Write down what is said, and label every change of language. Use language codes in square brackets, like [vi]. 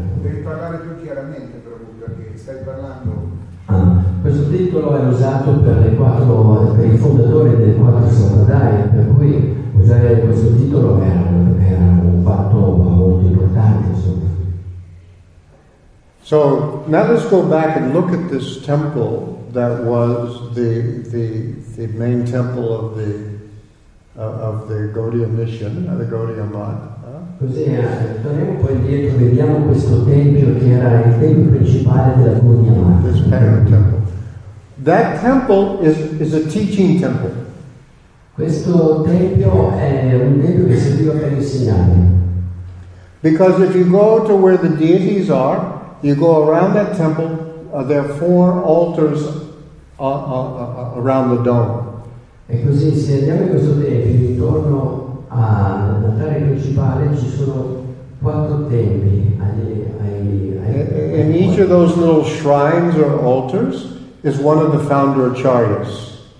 [it] Devi parlare più chiaramente, proprio perché stai parlando. Questo titolo è usato per i fondatori dei quattro sampradaya, per cui. Usare questo titolo era un fatto molto importante, insomma. [en] So now let's go back and look at this temple that was the main temple of the Gaudiya Mission, the Gaudiya Mad. [it] Così torniamo poi indietro, vediamo questo tempio che era il tempio principale della Gaudiya Mad. [en] This parent temple. That temple is a teaching temple. [it] Questo tempio è un tempio che serviva per insegnare. [en] Because if you go to where the deities are, you go around that temple, there are four altars around the dome. [it] E così se andiamo in questo tempio intorno all'altare principale ci sono quattro tempi. [en] And each of those little shrines or altars is one of the founder acharyas.